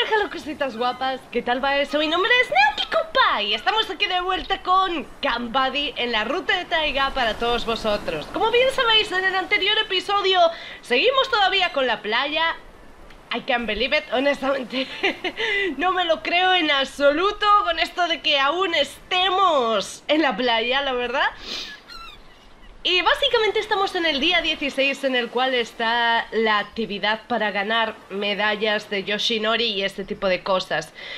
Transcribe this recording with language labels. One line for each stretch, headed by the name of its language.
Spanish: cositas guapas, ¿qué tal va eso? Mi nombre es Neokikupa y estamos aquí de vuelta con Kanbuddy en la ruta de Taiga para todos vosotros. Como bien sabéis, en el anterior episodio seguimos todavía con la playa.
English: I can't believe it,
Spanish: honestamente. No me lo creo en absoluto con esto de que aún estemos en la playa, la verdad. Y básicamente estamos en el día 16, en el cual está la actividad para ganar medallas de Yoshinori y este tipo de cosas.